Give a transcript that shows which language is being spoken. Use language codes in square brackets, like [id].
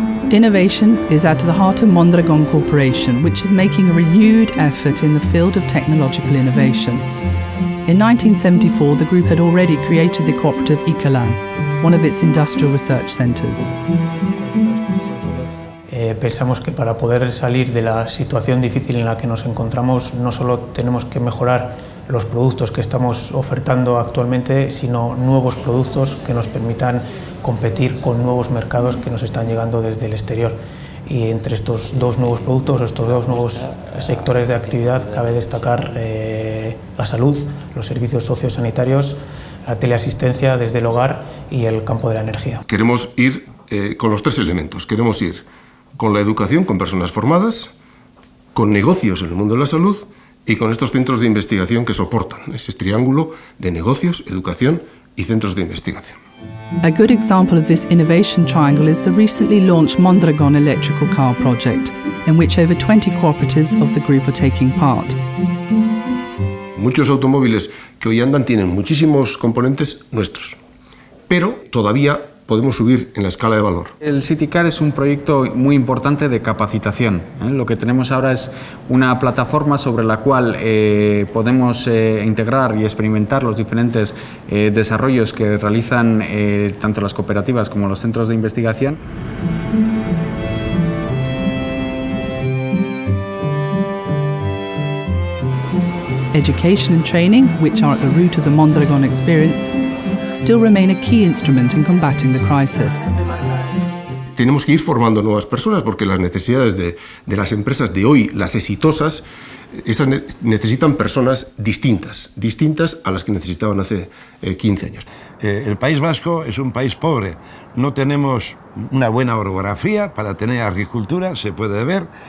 [en] Innovation is at the heart of Mondragon Corporation, which is making a renewed effort in the field of technological innovation. In 1974, the group had already created the cooperative Ikalan, one of its industrial research centers. [es] Pensamos que para poder salir de la situación difícil en la que nos encontramos, no solo tenemos que mejorar los productos que estamos ofertando actualmente, sino nuevos productos que nos permitan competir con nuevos mercados que nos están llegando desde el exterior. Y entre estos dos nuevos productos, estos dos nuevos sectores de actividad, cabe destacar la salud, los servicios sociosanitarios, la teleasistencia desde el hogar y el campo de la energía. Queremos ir con los tres elementos. Queremos ir con la educación, con personas formadas, con negocios en el mundo de la salud y con estos centros de investigación que soportan ese triángulo de negocios, educación y centros de investigación. [en] A good example of this innovation triangle is the recently launched Mondragon electrical car project, in which over 20 cooperatives of the group are taking part. [es] Muchos automóviles que hoy andan tienen muchísimos componentes nuestros, pero todavía podemos subir en la escala de valor. El City Car es un proyecto muy importante de capacitación. Lo que tenemos ahora es una plataforma sobre la cual podemos integrar y experimentar los diferentes desarrollos que realizan tanto las cooperativas como los centros de investigación. [en] Education and training, which are at the root of the Mondragon experience, still remain a key instrument in combating the crisis. [es] Tenemos que ir formando nuevas personas porque las necesidades de las empresas de hoy, las exitosas, esas necesitan personas distintas a las que necesitaban hace 15 años. El País Vasco es un país pobre. No tenemos una buena orografía para tener agricultura, se puede ver.